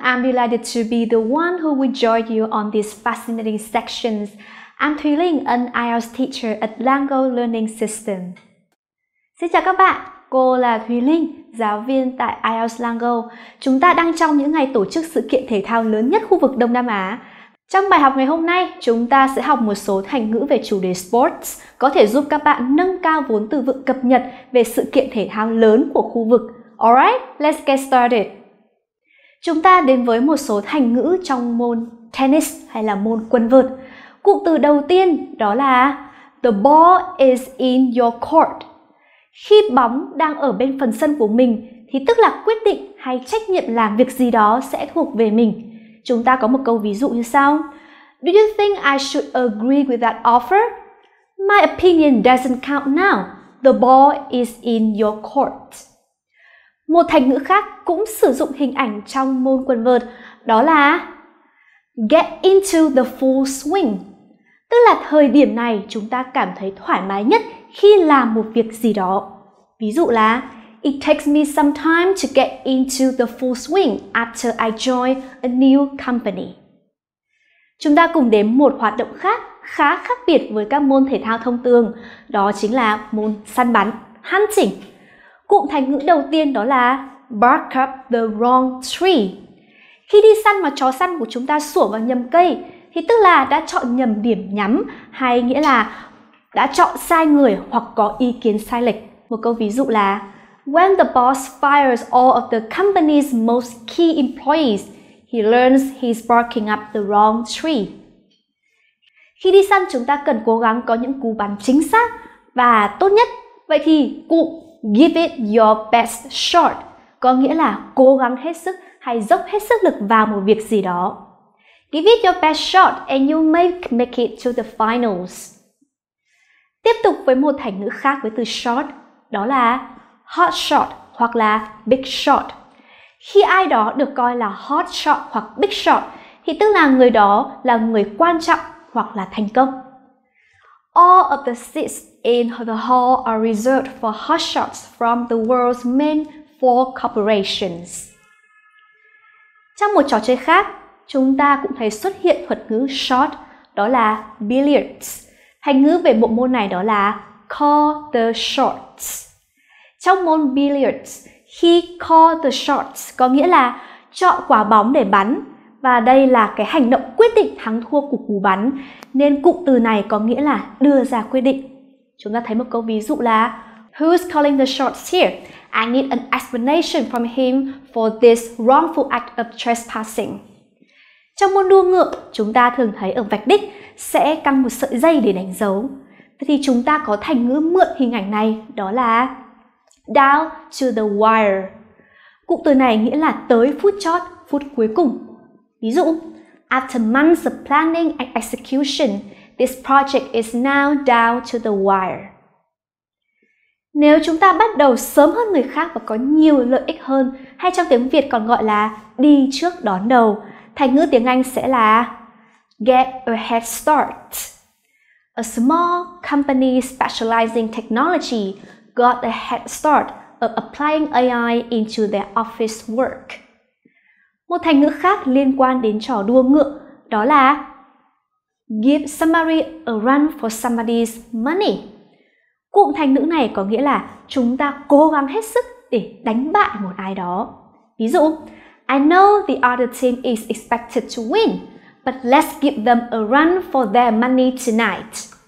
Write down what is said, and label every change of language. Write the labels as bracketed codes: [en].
[en] I'm delighted to be the one who will join you on these fascinating sections. I'm Thùy Linh, an IELTS teacher at Lango Learning System. [vi] Xin chào các bạn, cô là Thùy Linh, giáo viên tại IELTS Lango. Chúng ta đang trong những ngày tổ chức sự kiện thể thao lớn nhất khu vực Đông Nam Á. Trong bài học ngày hôm nay, chúng ta sẽ học một số thành ngữ về chủ đề sports có thể giúp các bạn nâng cao vốn từ vựng cập nhật về sự kiện thể thao lớn của khu vực. [en] Alright, let's get started. [vi] Chúng ta đến với một số thành ngữ trong môn tennis hay là môn quần vợt. Cụm từ đầu tiên đó là [en] the ball is in your court. [vi] Khi bóng đang ở bên phần sân của mình thì tức là quyết định hay trách nhiệm làm việc gì đó sẽ thuộc về mình. Chúng ta có một câu ví dụ như sau. [en] Do you think I should agree with that offer? My opinion doesn't count now. The ball is in your court. [vi] Một thành ngữ khác cũng sử dụng hình ảnh trong môn quần vợt đó là [en] get into the full swing. [vi] Tức là thời điểm này chúng ta cảm thấy thoải mái nhất khi làm một việc gì đó. Ví dụ là [en] it takes me some time to get into the full swing after I join a new company. [vi] Chúng ta cùng đến một hoạt động khác khá khác biệt với các môn thể thao thông thường, đó chính là môn săn bắn, hunting. Cụm thành ngữ đầu tiên đó là [en] bark up the wrong tree. [vi] Khi đi săn mà chó săn của chúng ta sủa vào nhầm cây thì tức là đã chọn nhầm điểm nhắm, hay nghĩa là đã chọn sai người hoặc có ý kiến sai lệch. Một câu ví dụ là [en] when the boss fires all of the company's most key employees, he learns he's barking up the wrong tree. [vi] Khi đi săn chúng ta cần cố gắng có những cú bắn chính xác và tốt nhất. Vậy thì cụm [en] give it your best shot [vi] có nghĩa là cố gắng hết sức hay dốc hết sức lực vào một việc gì đó. [en] Give it your best shot and you may make it to the finals. [vi] Tiếp tục với một thành ngữ khác với từ shot, đó là hot shot hoặc là big shot. Khi ai đó được coi là hot shot hoặc big shot thì tức là người đó là người quan trọng hoặc là thành công. [en] All of the seats in the hall are reserved for hot shots from the world's main four corporations. [vi] Trong một trò chơi khác, chúng ta cũng thấy xuất hiện thuật ngữ shot, đó là billiards. Thành ngữ về bộ môn này đó là [en] call the shots. [vi] Trong môn billiards, khi [en] call the shots [vi] có nghĩa là chọn quả bóng để bắn. Và đây là cái hành động quyết định thắng thua của cú bắn, nên cụm từ này có nghĩa là đưa ra quyết định. Chúng ta thấy một câu ví dụ là [en] who's calling the shots here? I need an explanation from him for this wrongful act of trespassing. [vi] Trong môn đua ngựa, chúng ta thường thấy ở vạch đích sẽ căng một sợi dây để đánh dấu. Thì chúng ta có thành ngữ mượn hình ảnh này, đó là [en] down to the wire. [vi] Cụm từ này nghĩa là tới phút chót, phút cuối cùng. Ví dụ, [en] after months of planning and execution, this project is now down to the wire. [vi] Nếu chúng ta bắt đầu sớm hơn người khác và có nhiều lợi ích hơn, hay trong tiếng Việt còn gọi là đi trước đón đầu, thành ngữ tiếng Anh sẽ là [en] get a head start. A small company specializing technology got a head start of applying AI into their office work. [vi] Một thành ngữ khác liên quan đến trò đua ngựa đó là [en] give somebody a run for somebody's money. [vi] Cụm thành ngữ này có nghĩa là chúng ta cố gắng hết sức để đánh bại một ai đó. Ví dụ, [en] I know the other team is expected to win, but let's give them a run for their money tonight.